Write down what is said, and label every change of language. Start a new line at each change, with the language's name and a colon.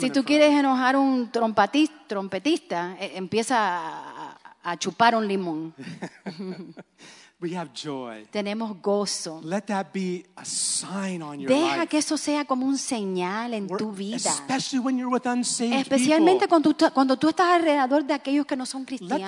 Spanish: Si tú quieres enojar un trompetista, empieza a chupar un limón.
English: We have joy.
Spanish: Tenemos gozo.
English: Let that be a sign on your life.
Spanish: Deja que eso sea como un señal en tu vida.
English: Especially when you're with unsaved people.
Spanish: Especialmente cuando tú estás alrededor de aquellos que no son cristianos.